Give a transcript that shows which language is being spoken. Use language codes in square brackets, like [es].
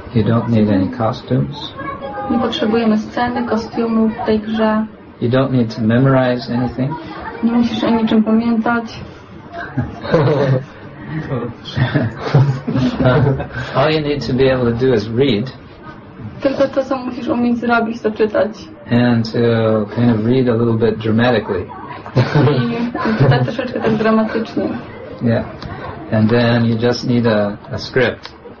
[en] You don't need any costumes. [pl] Nie potrzebujemy sceny, kostiumów w tej grze. [en] You don't need to memorize anything. [pl] Nie musisz o niczym pamiętać. [en] All you need to be able to do is read. [pl] Tylko to, co musisz umieć zrobić, to czytać. [en] And to kind of read a little bit dramatically. [pl] I czytać troszeczkę tak dramatycznie. [en] Yeah. And then you just need a script.